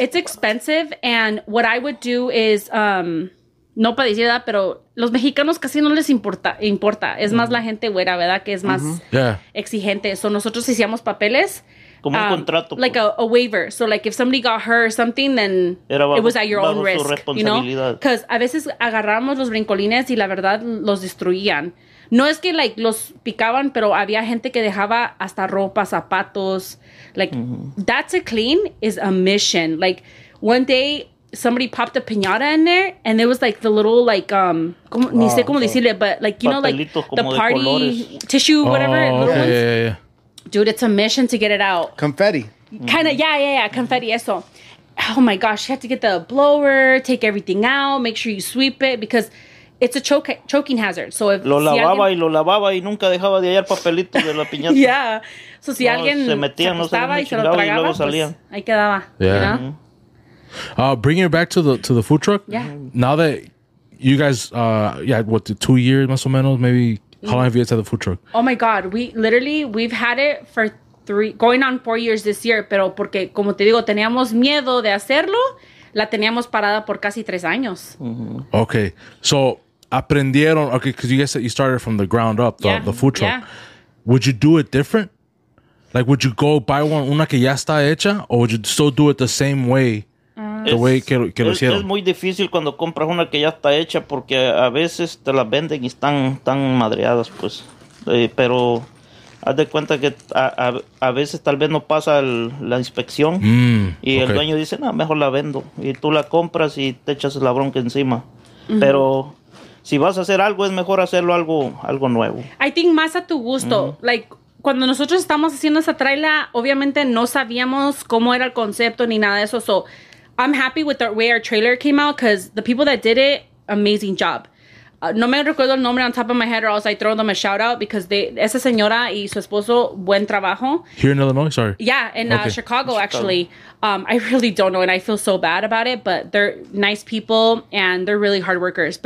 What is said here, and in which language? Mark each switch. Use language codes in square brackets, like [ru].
[en] It's expensive. And what I would do is, [es] no para decir edad, pero los mexicanos casi no les importa. Es más la gente güera, ¿verdad? Que es más exigente. So nosotros hicimos papeles. Como un contrato. [en] Like a waiver. So, like, if somebody got hurt or something, then it was at your own risk, you know? Because [es] a veces agarramos los brincolines y la verdad los destruían. No es que, like, los picaban, pero había gente que dejaba hasta ropa, zapatos. [en] Like, that to clean is a mission. Like, one day, somebody popped a piñata in there, and there was, like, the little, like, [es] ni sé cómo decirle, [en] but, like, you know, like, the party tissue, whatever, little ones. Yeah. Dude, it's a mission to get it out. Confetti. Kind of, yeah, confetti, [es] eso. [en] Oh my gosh, you have to get the blower, take everything out, make sure you sweep it, because it's a choking hazard. So if [es] lo lavaba y lo lavaba y nunca dejaba de hallar papelito de la piñata. Yeah. So si alguien se metía, no se lo tragaba y luego salía. Pues, ahí quedaba, [en] Yeah. Bringing it back to the food truck. Yeah. Now that you guys, what, 2 years, [es] más o menos, [en] maybe... How long have you guys had the food truck? Oh my God. We've had it for going on 4 years this year. [es] Pero porque, como te digo, teníamos miedo de hacerlo. La teníamos parada por casi 3 años. [en] Mm-hmm. Okay. So, aprendieron. Okay, because you guys said you started from the ground up, the food truck. Yeah. Would you do it different? Like, would you go buy one, [es] una que ya está hecha? [en] Or would you still do it the same way? The way [es] que lo hicieron. Es muy difícil cuando compras una que ya está hecha porque a veces te la venden y están madreadas, pues. Pero haz de cuenta que a veces tal vez no pasa la inspección el dueño dice, no, mejor la vendo. Y tú la compras y te echas la bronca encima. Uh-huh. Pero si vas a hacer algo, es mejor hacerlo algo nuevo. [en] I think [es] más a tu gusto. Uh-huh. Like, cuando nosotros estamos haciendo esa traila, obviamente no sabíamos cómo era el concepto ni nada de eso. [en] So, I'm happy with the way our trailer came out because the people that did it, amazing job. [es] No me recuerdo el nombre [en] on top of my head or else I throw them a shout out because [es] esa señora y su esposo, buen trabajo. [en] Here in Illinois, sorry. Yeah, in Chicago, actually. I really don't know and I feel so bad about it, but they're nice people and they're really hard workers.